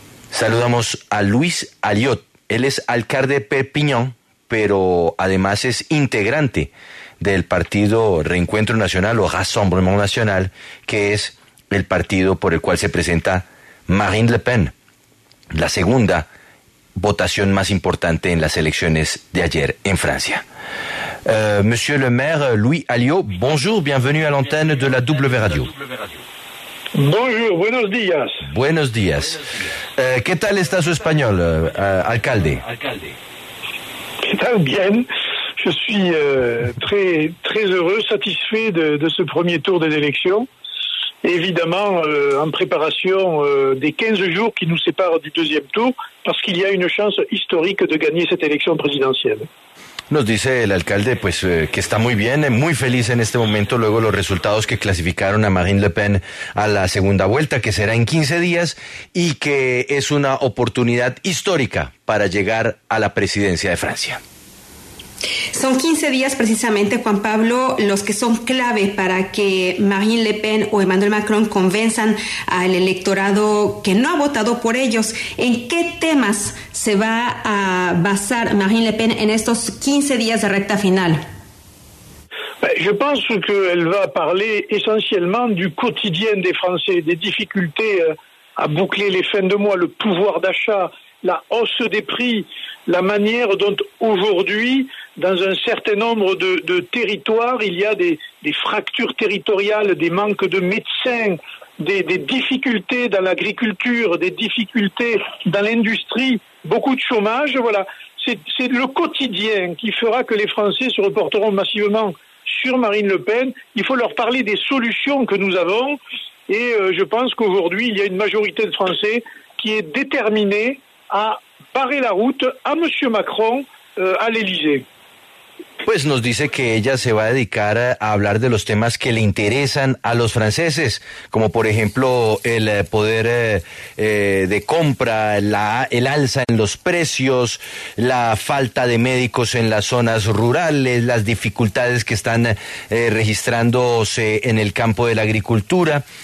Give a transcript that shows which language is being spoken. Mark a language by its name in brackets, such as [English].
[Spanish] Saludamos a Luis Alliot. Él es alcalde de Perpignan, pero además es integrante del partido Reencuentro Nacional o Rassemblement National, que es el partido por el cual se presenta Marine Le Pen, la segunda votación más importante en las elecciones de ayer en Francia. [French] Monsieur le maire Louis Alliot, bonjour, bienvenue à l'antenne de la W Radio. Bonjour, [Spanish] buenos días. Buenos días. ¿Qué tal está su español, alcalde? ¿Qué tal? Bien. [French] Je suis très, très heureux, satisfait de ce premier tour des élections. Évidemment, en préparation des 15 jours qui nous séparent du deuxième tour, parce qu'il y a une chance historique de gagner cette élection présidentielle. [Spanish] Nos dice el alcalde pues que está muy bien, muy feliz en este momento, luego los resultados que clasificaron a Marine Le Pen a la segunda vuelta, que será en 15 días, y que es una oportunidad histórica para llegar a la presidencia de Francia. Son 15 días precisamente, Juan Pablo, los que son clave para que Marine Le Pen o Emmanuel Macron convenzan al electorado que no ha votado por ellos. ¿En qué temas se va a basar Marine Le Pen en estos 15 días de recta final? [French] Je pense qu'elle va parler essentiellement du quotidien des Français, des difficultés à boucler les fins de mois, le pouvoir d'achat, la hausse des prix, la manière dont aujourd'hui, dans un certain nombre de territoires, il y a des fractures territoriales, des manques de médecins, des difficultés dans l'agriculture, des difficultés dans l'industrie, beaucoup de chômage. Voilà, c'est le quotidien qui fera que les Français se reporteront massivement sur Marine Le Pen. Il faut leur parler des solutions que nous avons. Et je pense qu'aujourd'hui, il y a une majorité de Français qui est déterminée à barrer la route à M. Macron à l'Élysée. [Spanish] Pues nos dice que ella se va a dedicar a hablar de los temas que le interesan a los franceses, como por ejemplo el poder de compra, el alza en los precios, la falta de médicos en las zonas rurales, las dificultades que están registrándose en el campo de la agricultura.